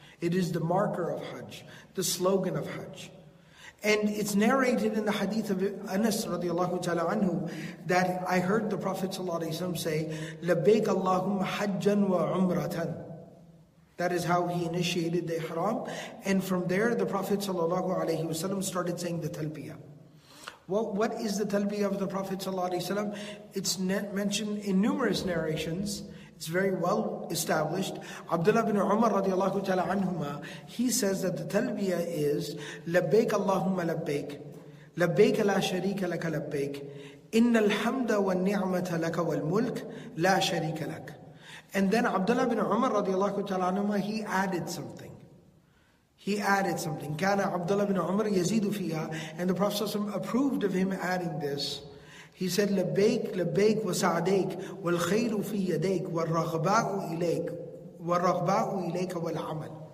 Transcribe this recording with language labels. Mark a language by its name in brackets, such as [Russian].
[English] It is the marker of hajj, the slogan of hajj. And it's narrated in the hadith of Anas radiallahu ta'ala anhu, that I heard the Prophet ﷺ say, [Arabic] لَبَّيْكَ اللَّهُمَّ حَجًّا وَعُمْرَةً. [English] That is how he initiated the ihram. And from there, the Prophet ﷺ started saying the talbiyah. What is the talbiyah of the Prophet ﷺ? It's mentioned in numerous narrations. It's very well established. Abdullah bin Umar radiallahu ta'ala anhuma, he says that the talbiyah is [Arabic] لبيك اللهم لبيك لبيك لا شريك لك لبيك إن الحمد والنعمة لك والملك لا شريك لك. [English] And then Abdullah bin Umar radiallahu ta'ala anhuma, he added something. [Arabic] كَانَ عَبْدُلَّهِ بْنُ عُمَرٍ يَزِيدُ فِيهَا. [English] And the Prophet ﷺ approved of him adding this. He said, [Arabic] لَبَّيْكْ لَبَّيْكْ وَسَعْدَيْكْ وَالْخَيْرُ فِي يَدَيْكْ وَالرَّغْبَاءُ إِلَيْكْ وَالرَّغْبَاءُ إِلَيْكَ وَالْعَمَلْ.